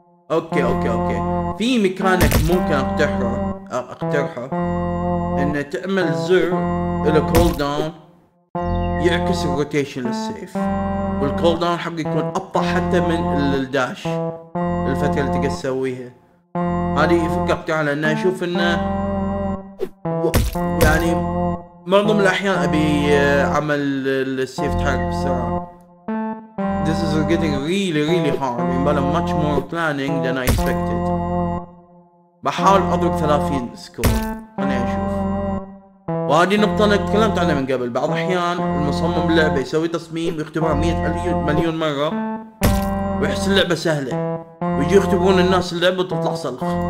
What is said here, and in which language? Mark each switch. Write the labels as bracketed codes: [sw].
[ar] اوكي في مكانك ممكن اقترحه انه تعمل زر الى كول داون يعكس الروتيشن للسيف، والكول داون حق يكون ابطا حتى من الداش الفترة اللي تقدر تسويها. هذه فكرة اقترحها لانه اشوف انه يعني معظم الاحيان ابي عمل السيف تحرك بسرعة. [en] This is getting really really hard. I'm gonna much more planning than I expected. [ar] بحاول اضرب 30 سكور. انا اشوف. وهذه نقطة انا تكلمت عنها من قبل. بعض الاحيان المصمم اللعبة يسوي تصميم ويختبرها 100,000,000,000 مرة. ويحس اللعبة سهلة. ويجي يختبرون الناس اللعبة وتطلع صلخ.